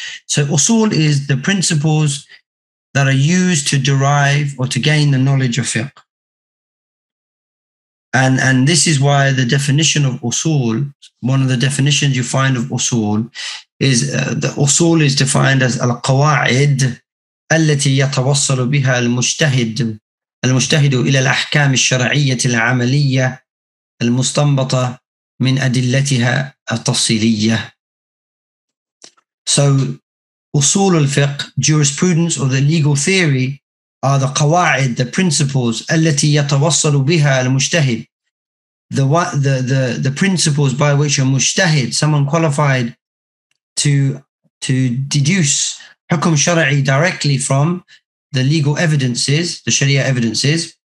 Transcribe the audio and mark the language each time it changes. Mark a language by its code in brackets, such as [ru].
[en] So usul is the principles that are used to derive or to gain the knowledge of fiqh. And this is why the definition of usul, one of the definitions you find of usul, is the usul is defined as [ar] al-qawa'id allati yatawassalu biha al-mujtahid. المجتهد إلى الأحكام الشرعية العملية المستنبطة من أدلتها التفصيلية. [en] So, أصول الفقه, jurisprudence or the legal theory, are the قواعد, the principles [ar] التي يتوصل بها المجتهد. [en] The principles by which a مجتهد, someone qualified to deduce حكم شرعي directly from the legal evidences, the Sharia evidences.